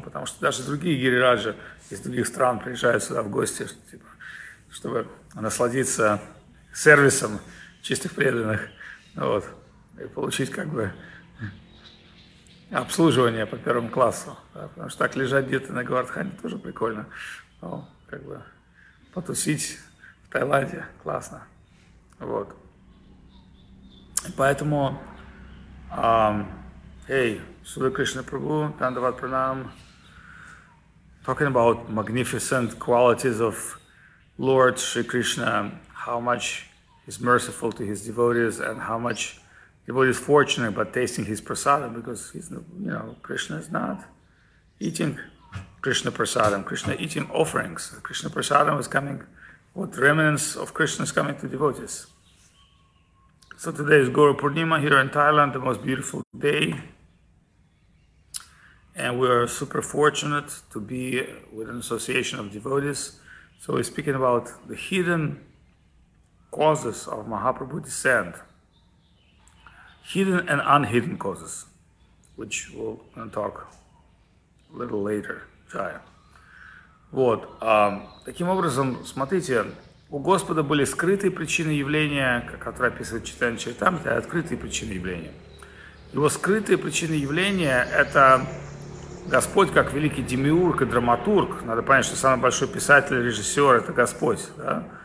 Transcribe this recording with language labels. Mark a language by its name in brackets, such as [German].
[Russian] Потому что даже другие гирираджи из других стран приезжают сюда в гости, типа, чтобы насладиться сервисом чистых преданных, вот, и получить как бы обслуживание по первому классу. Да, потому что так лежать где-то на Говардхане тоже прикольно. Ну, как бы потусить в Таиланде классно. Вот. Поэтому, [English] Суда Кришна Прабху, Дандават Пранам, talking about magnificent qualities of Lord Sri Krishna, how much he's merciful to his devotees and how much devotees fortunate but tasting his prasada, because he's, you know, Krishna is not eating Krishna prasadam. Krishna eating offerings. Krishna prasadam is coming. What remnants of Krishna is coming to devotees. So today is Guru Purnima here in Thailand, the most beautiful day. And we are super fortunate to be with an association of devotees. So we're speaking about the hidden causes of Mahaprabhu descent. Hidden and unhidden causes, which we'll talk a little later. [Russian] Вот. Таким образом, смотрите, у Господа были скрытые причины явления, которые описывает Чайтанья Чаритамрита, и открытые причины явления. Его скрытые причины явления – это Господь как великий демиург и драматург. Надо понять, что самый большой писатель и режиссер – это Господь, да?